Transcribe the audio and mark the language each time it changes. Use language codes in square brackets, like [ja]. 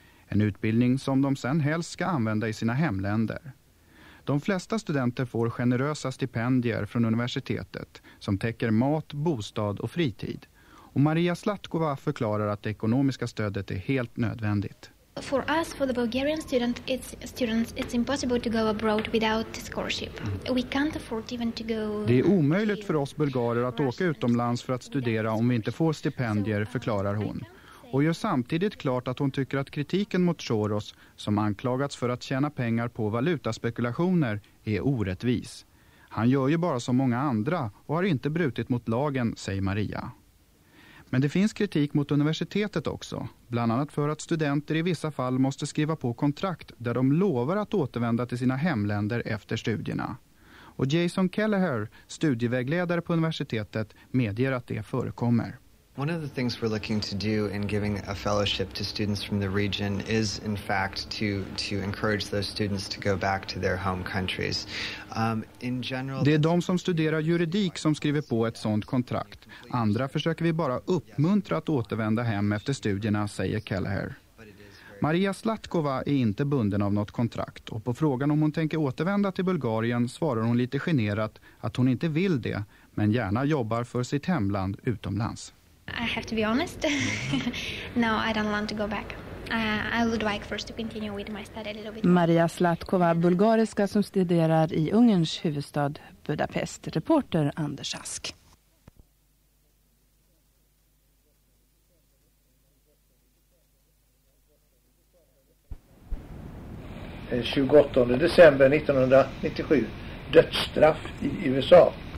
[sv] En utbildning som de sen helst ska använda i sina hemländer. De flesta studenter får generösa stipendier från universitetet som täcker mat, bostad och fritid. Och Maria Slatkova förklarar att det ekonomiska stödet är helt nödvändigt. [en] For us, for the Bulgarian students, it's impossible to go abroad without scholarship. We can't afford even to go. [sv] Det är omöjligt för oss bulgarer att åka utomlands för att studera om vi inte får stipendier, förklarar hon. Och gör samtidigt klart att hon tycker att kritiken mot Soros, som anklagats för att tjäna pengar på valutaspekulationer, är orättvis. Han gör ju bara som många andra och har inte brutit mot lagen, säger Maria. Men det finns kritik mot universitetet också, bland annat för att studenter i vissa fall måste skriva på kontrakt där de lovar att återvända till sina hemländer efter studierna. Och Jason Kelleher, studievägledare på universitetet, medger att det förekommer. [en] One of the things we're looking to do in giving a fellowship to students from the region is in fact to encourage those students to go back to their home countries. In general, [sv] det är de som studerar juridik som skriver på ett sådant kontrakt. Andra försöker vi bara uppmuntra att återvända hem efter studierna, säger Kelleher. Maria Slatkova är inte bunden av något kontrakt och på frågan om hon tänker återvända till Bulgarien svarar hon lite generat att hon inte vill det men gärna jobbar för sitt hemland utomlands. [en] I have to be honest. No, I don't want to go back. I would like first to continue with my study a little bit. [sv] Maria Slatkova, bulgariska, som studerar i Ungerns huvudstad Budapest. Reporter Anders Ask. Den 28 december 1997. Dödsstraff i USA.